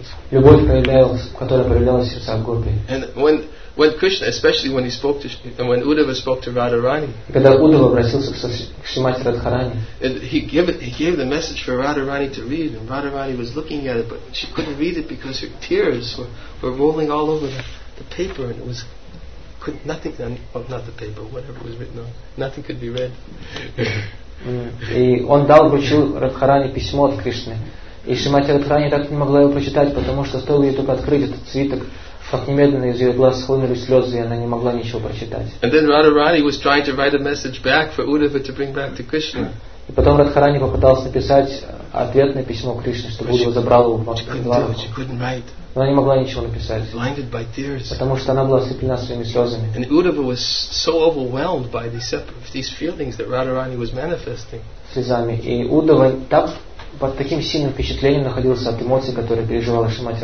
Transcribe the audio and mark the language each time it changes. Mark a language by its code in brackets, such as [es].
[ru] Любовь, которая проявлялась в сердцах гопи. [en] When Krishna, especially when he spoke to, and when Uddhava spoke to Radharani, [ru] когда Уддхава обратился к Шримати Радхарани, [en] he gave the message for Radharani to read, and Radharani was looking at it, but she couldn't read it because her tears were rolling all over the paper, and it was could nothing, well, not the paper, whatever was written on, nothing could be read. [ru] И он дал вручил Радхарани письмо от Кришны, и Шримати Радхарани так не могла его прочитать, потому что стоило ей только открыть этот свиток. Как немедленно из ее глаз схлынули слезы, и она не могла ничего прочитать. [en] And then Radharani was trying to write a message back for Uddhava to bring back to Krishna. [ru] И потом Радхарани попыталась написать ответное письмо Кришне, чтобы Уддхава забрал его в Вриндаваку. Но она не могла ничего написать. [en] Blinded by tears. [ru] Потому что она была ослеплена своими слезами. [en] And Uddhava was so overwhelmed by these feelings that Radharani was manifesting. [ru] Слезами. И Уддхава так под таким сильным впечатлением находился от эмоций, которые переживала Шримати